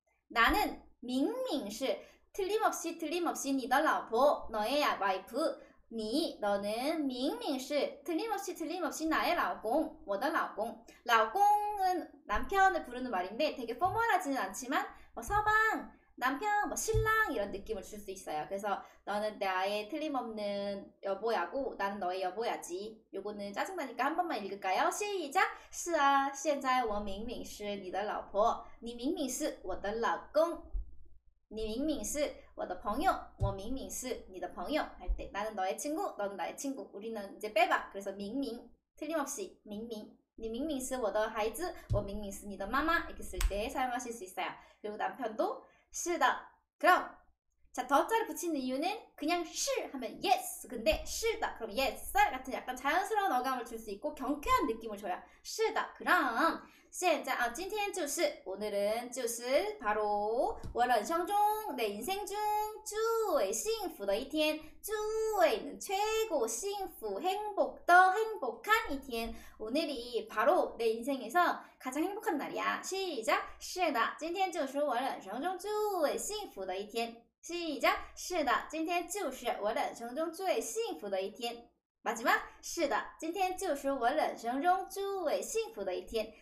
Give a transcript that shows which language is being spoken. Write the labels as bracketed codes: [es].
[ko] 나는, [zh] 明明是 [ko] 틀림없이 틀림없이 [zh] 你的老婆 [ko] 너의 와이프 你 너는 明明是 틀림없이 틀림없이 나의 老公 [zh] 我的老公 [ko] 老公은 남편을 부르는 말인데 되게 포멀하지는 않지만 뭐 서방 남편 뭐 신랑 이런 느낌을 줄수 있어요 그래서 너는 나의 틀림없는 여보야고 나는 너의 여보야지 요거는 짜증나니까 한 번만 읽을까요? 시작! [zh] 是啊 现在我明明是你的老婆 你明明是我的老公 你明明是我的朋友，我明明是你的朋友。 [ko] 할 때, 나는 너의 친구, 너는 나의 친구. 우리는 이제 빼봐. 그래서 明明, 틀림없이 明明. [zh] 你明明是我的孩子，我明明是你的妈妈. [ko] 이렇게 쓸때 사용하실 수 있어요. 그리고 남편도 [zh] 是的. [ko] 그럼 자, 더자를 붙이는 이유는 그냥 是 하면 [en] yes. [ko] 근데 [zh] 是的, [ko] 그럼 [en] yes sir [ko] 같은 약간 자연스러운 어감을 줄수 있고 경쾌한 느낌을 줘요. [zh] 是的, [ko] 그럼. [zh] 现在, 아, 今天就是, [ko] 오늘은, [zh] 就是, [ko] 바로, [zh] 我人生中, [ko] 내 인생 중, [zh] 最幸福的一天, 最 [ko] 는 최고 [zh] 幸福, [ko] 행복도 행복한 [zh] 一天. [ko] 오늘이 바로 내 인생에서 가장 행복한 날이야. 시작! [zh] 是的, 今天就是我人生中最幸福的一天. [ko] 시작! [zh] 是的, 今天就是我人生中最幸福的一天. [ko] 마지막, [zh] 是的, 今天就是我人生中最幸福的一天.